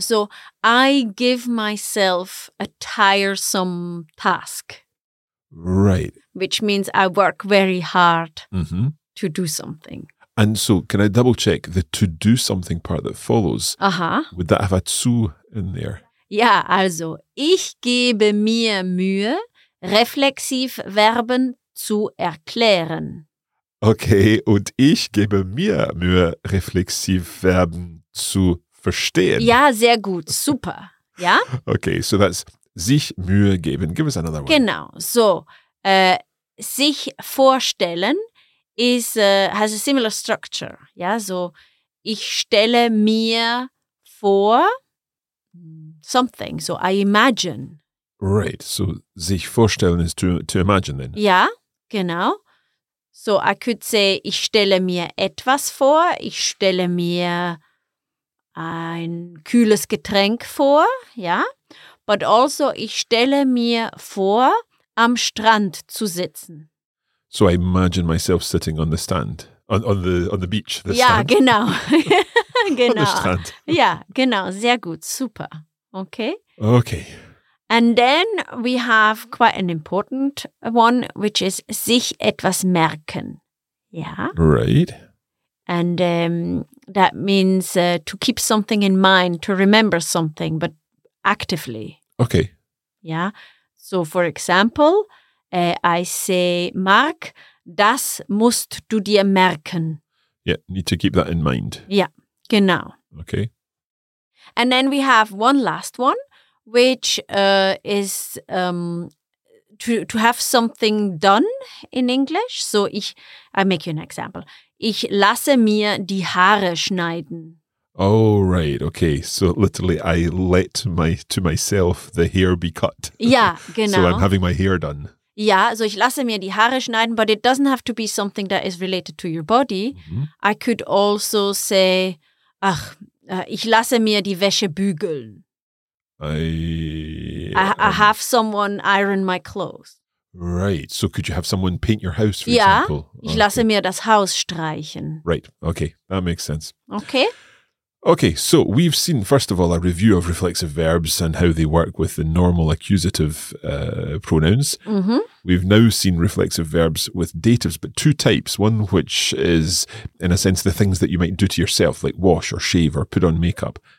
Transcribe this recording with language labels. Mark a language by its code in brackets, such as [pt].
[en] So I give myself a tiresome task. Right. Which means I work very hard mm-hmm. to do something. And so, can I double check the to do something part that follows? Uh-huh. Would that have a zu in there? [de] Yeah, also, ich gebe mir Mühe, Reflexivverben zu erklären. Okay, und ich gebe mir Mühe, Reflexivverben zu verstehen. Ja, sehr gut, super, ja? [en] Okay, so that's sich Mühe geben. Give us another one. [de] Genau, so, sich vorstellen. [en] Is has a similar structure, yeah. [de] So, ich stelle mir vor something. [en] So I imagine. Right. So sich vorstellen is to imagine then. Yeah, genau. So I could say [de] ich stelle mir etwas vor. Ich stelle mir ein kühles Getränk vor. [en] Yeah, but also [de] ich stelle mir vor am Strand zu sitzen. [en] So I imagine myself sitting on the stand, on the beach. The yeah, stand. [de] Genau. [en] genau. On the strand. [de] Yeah, genau. Sehr gut. Super. Okay. [en] Okay. And then we have quite an important one, which is sich etwas merken. Yeah. Right. And that means to keep something in mind, to remember something, but actively. Okay. Yeah. So for example, I say, Mark, [de] das musst du dir merken. [en] Yeah, need to keep that in mind. Yeah, genau. Okay. And then we have one last one, which is to have something done in English. So I make you an example. [de] Ich lasse mir die Haare schneiden. [en] Oh, right. Okay. So literally, I let my to myself the hair be cut. Yeah, genau. So I'm having my hair done. Yeah, so [de] ich lasse mir die Haare schneiden, [en] but it doesn't have to be something that is related to your body. Mm-hmm. I could also say, [de] ach, ich lasse mir die Wäsche bügeln. [en] I have someone iron my clothes. Right, so could you have someone paint your house, for example? [de] Yeah, ich lasse mir das Haus streichen. [en] Right, okay, that makes sense. Okay. Okay, so we've seen, first of all, a review of reflexive verbs and how they work with the normal accusative pronouns. Mm-hmm. We've now seen reflexive verbs with datives, but two types. One which is, in a sense, the things that you might do to yourself, like wash or shave or put on makeup.